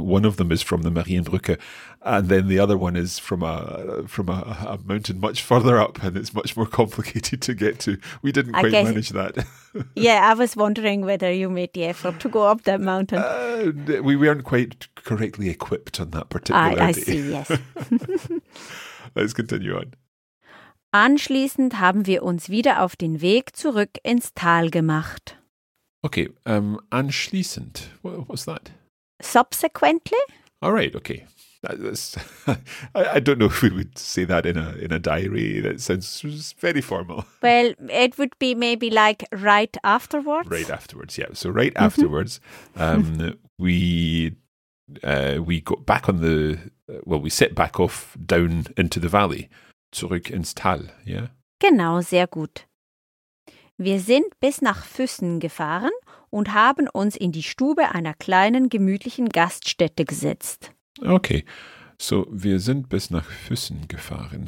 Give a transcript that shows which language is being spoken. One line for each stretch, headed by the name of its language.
English: One of them is from the Marienbrücke, and then the other one is from a mountain much further up, and it's much more complicated to get to. We didn't quite manage that. Yeah, I was wondering whether you made the effort to go up that mountain. We weren't quite correctly equipped on that particular day. I see, yes. Let's continue on.
German: Anschließend haben wir uns wieder auf den Weg zurück ins Tal gemacht.
English: Okay, anschließend, what's that? Subsequently? All right, okay. That's, I don't know if we would say that in a diary. That sounds very formal. Well, it would be maybe like right afterwards. Right afterwards, yeah. So right afterwards, we got back on the, well, we set back off down into the valley.
German: Zurück ins Tal, ja? Genau, sehr gut. Wir sind bis nach Füssen gefahren und haben uns in die Stube einer kleinen, gemütlichen Gaststätte gesetzt.
English: Okay, so
German: wir sind bis nach Füssen gefahren.